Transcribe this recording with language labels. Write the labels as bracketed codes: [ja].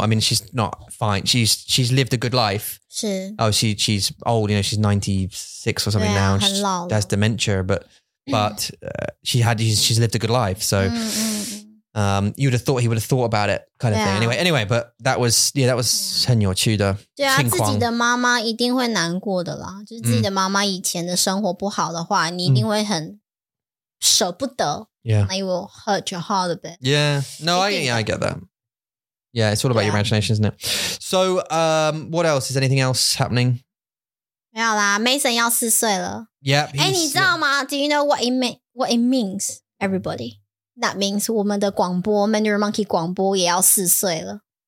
[en] I mean, she's not fine. She's lived a good life. [zh] 是. [en] Oh, she's old. You know, she's 96 or something now. She has dementia, but she's lived a good life. So, you would have thought he would have thought about it, kind of thing. Anyway, but that was [zh] 很有趣的。对啊，自己的妈妈一定会难过的啦。就是自己的妈妈以前的生活不好的话，你一定会很舍不得。Yeah. [en] Like, it will hurt your heart a bit. Yeah. No, I get that. Yeah, it's all about your imagination, isn't it? So, what else? Is anything else happening? [zh] 没有啦, Mason 要四岁了。 [en] Yep. [zh] 诶,你知道吗? [en] Do you know what it means, everybody? That means [zh] 我们的广播, Mandarin Monkey 广播也要四岁了。